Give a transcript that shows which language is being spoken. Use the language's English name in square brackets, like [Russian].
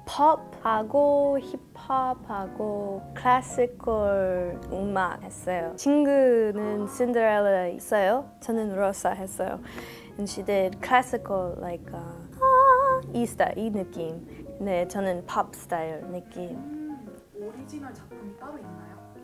[Korean] Pop하고 힙합하고 클래식컬 음악 했어요. 친구는 Cinderella 했어요. 저는 Rosa 했어요. [English] And she did classical like Easter 이 느낌. [Korean] 네, 저는 pop style 느낌. 오리지널 작품이 따로 있나요?